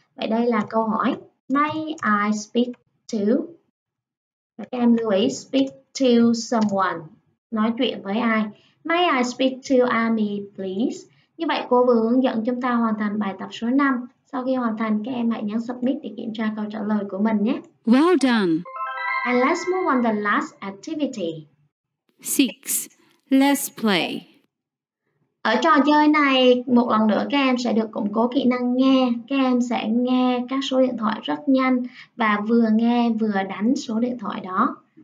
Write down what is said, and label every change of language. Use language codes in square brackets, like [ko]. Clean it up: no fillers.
[vi] Vậy đây là câu hỏi. [en] May I speak to? [vi] Các em lưu ý [en] speak to someone. [vi] Nói chuyện với ai? [en] May I speak to Amy, please? [vi] Như vậy, cô vừa hướng dẫn chúng ta hoàn thành bài tập số 5. Sau khi hoàn thành, các em hãy nhấn submit để kiểm tra câu trả lời của mình nhé. [en] Well done! And let's move on to the last activity. 6. Let's play. [vi] Ở trò chơi này, một lần nữa các em sẽ được củng cố kỹ năng nghe. Các em sẽ nghe các số điện thoại rất nhanh và vừa nghe vừa đánh số điện thoại đó.